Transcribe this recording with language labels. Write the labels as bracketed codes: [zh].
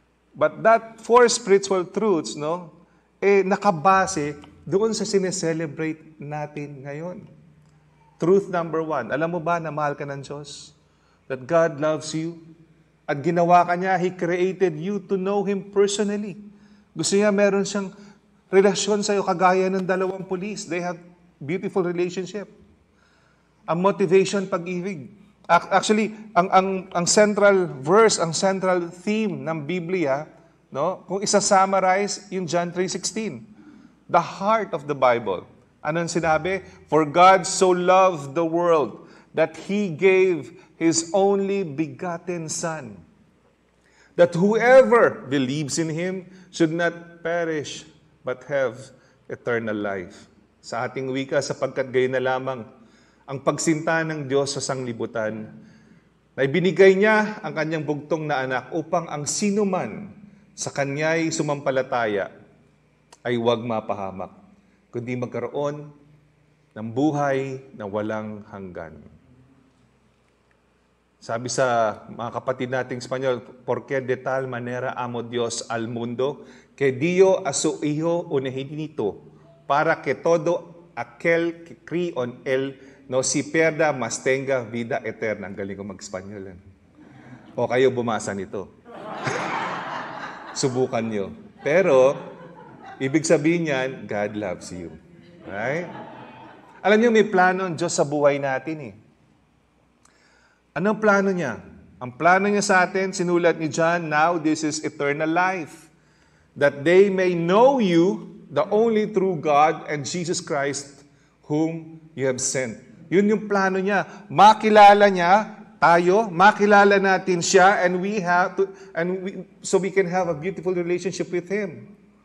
[en] But that four spiritual truths, [tl] no, eh nakabase doon sa sineselebrate natin ngayon. Truth number one, alam mo ba na mahal ka ng Diyos? [en] That God loves you? [tl] At ginawa ka niya, [en] He created you to know Him personally. [tl] Gusto niya meron siyang relasyon sa'yo kagaya ng dalawang pulis. [en] They have beautiful relationship. [tl] Ang motivation, pag-ibig. Actually, ang central verse, ang central theme ng Biblia, no, kung isa-summarize yung John 3:16, [en] the heart of the Bible. [tl] Anong sinabi? [en] For God so loved the world that He gave His only begotten Son, that whoever believes in Him should not perish but have eternal life. [tl] Sa ating wika, sapagkat gayon na lamang ang pagsinta ng Diyos sa sanglibutan, na ibinigay niya ang kanyang bugtong na anak upang ang sinuman sa kanya'y sumampalataya ay huwag mapahamak, kundi magkaroon ng buhay na walang hanggan. Sabi sa mga kapatid nating Espanyol, [es] porque de tal manera amo Dios al mundo, que dio a su hijo unigénito, para que todo aquel que cree en él no si pierda, mas tenga vida eterna. [tl] Ang galing ko mag-Espanyol. O kayo bumasa nito. Subukan nyo. Pero, ibig sabihin yan, [en] God loves you. Right? [tl] Alam niyo, may plano ang Diyos sa buhay natin eh. Anong plano niya? Ang plano niya sa atin, sinulat ni John, [en] now this is eternal life, that they may know you, the only true God, and Jesus Christ, whom you have sent. [tl] Yun yung plano niya. Makilala niya tayo, makilala natin siya, [en] and we have to, so we can have a beautiful relationship with Him.